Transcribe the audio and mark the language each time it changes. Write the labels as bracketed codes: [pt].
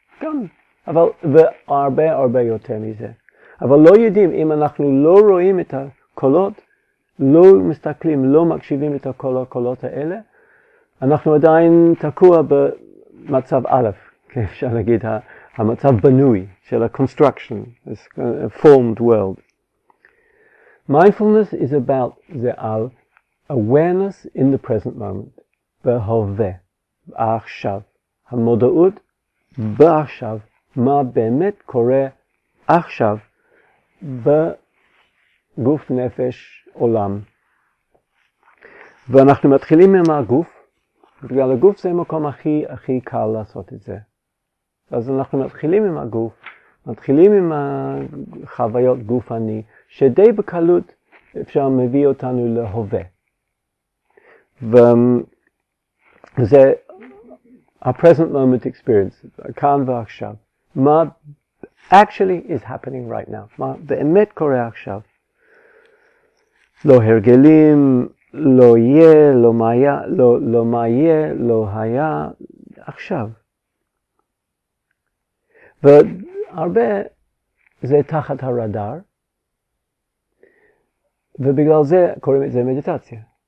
[he] גם, אבל, והרבה הרבה יותר מזה. אבל לא יודעים, אם אנחנו לא רואים את הקולות, לא מסתכלים, לא מקשיבים את הקולות האלה, אנחנו עדיין תקוע במצב א', כאפשר להגיד, המצב בנוי של ה- [en] construction, this formed world. Mindfulness is about the al, awareness in the present moment, [he] בהווה, עכשיו. המודעות, בעכשיו, מה באמת קורה עכשיו בגוף נפש עולם. ואנחנו מתחילים עם הגוף, בגלל הגוף זה המקום הכי הכי קל לעשות את זה. אז אנחנו מתחילים עם הגוף, מתחילים עם החוויות גופני, שדי בקלות אפשר מביא אותנו להווה. וזה ה- [en] present moment experience, [he] כאן ועכשיו. מה [en] actually is happening right now? [he] מה באמת קורה עכשיו? לא הרגלים, לא יהיה, לא מה היה, לא מה יהיה, לא היה, עכשיו. והרבה זה תחת הרדאר, ובגלל זה קוראים את זה מדיטציה.